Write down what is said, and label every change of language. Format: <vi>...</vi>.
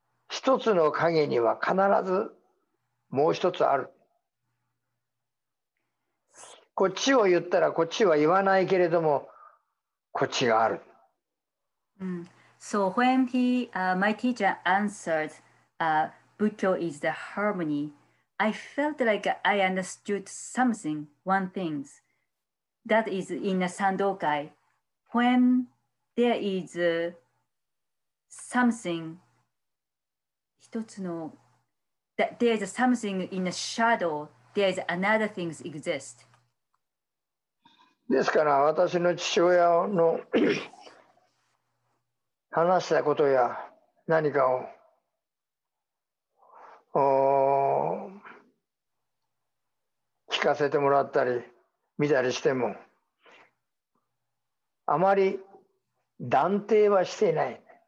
<ja>一つの影には必ずもう一つある。こっちを言ったらこっちは言わないけれども、こっちがある。</ja> <en>So when he, my teacher answered, Butcho is the harmony, I felt like I understood something, one thing. That is in a sandokai. When there is something, that there is something in the shadow, there is another thing exist.</en> <ja>ですから私の父親の話したことや何かを聞かせてもらったり見たりしてもあまり断定はしていない。</ja>